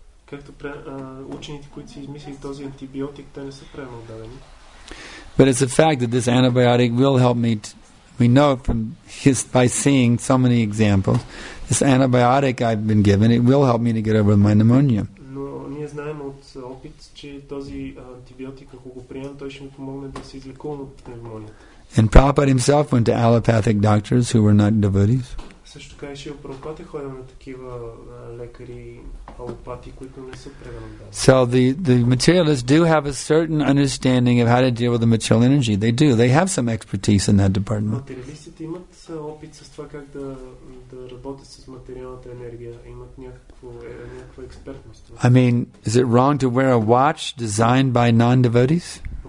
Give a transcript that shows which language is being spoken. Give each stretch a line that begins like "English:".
English: But it's a fact that this antibiotic will help me. We know from by seeing so many examples, this antibiotic I've been given, it will help me to get over my pneumonia.
Bulgarian: Опит, че този антибиотик, ако го приемам, той ще ми помогне да се излекувам от пневмонията.
English: And Prabhupada himself went to allopathic doctors who were not devotees.
Bulgarian: Също така и Шрила Прабхупада ходил на такива лекари алопати, които не са преданали.
English: So the materialists do have a certain understanding of how to deal with the material energy. They do. They have some expertise in that department.
Bulgarian: Материалистите имат опит с това как да работят с материалната енергия. Имат някаква експертност.
English: I mean, is it wrong to wear a watch designed by non-devotees?